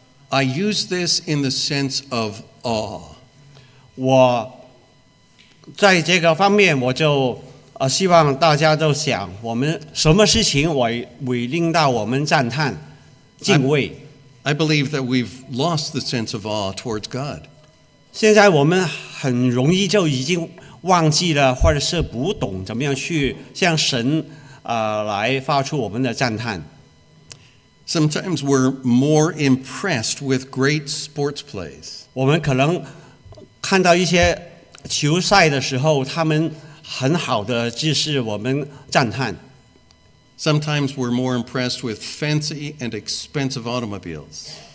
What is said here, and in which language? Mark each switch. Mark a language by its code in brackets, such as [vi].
[en] I use this in the sense of awe. [zh] 我在这个方面我就 希望大家都想, 我们什么事情会令到我们赞叹, 敬畏。 [en] I believe that we've lost the sense of awe towards God. [zh] 现在我们很容易就已经忘记了, 或者是不懂怎么样去向神, 来发出我们的赞叹。 [en] Sometimes we're more impressed with great sports plays. [zh] 我们可能看到一些球赛的时候, 他们很好的知识我们赞叹。 [en] Sometimes we're more impressed with fancy and expensive automobiles.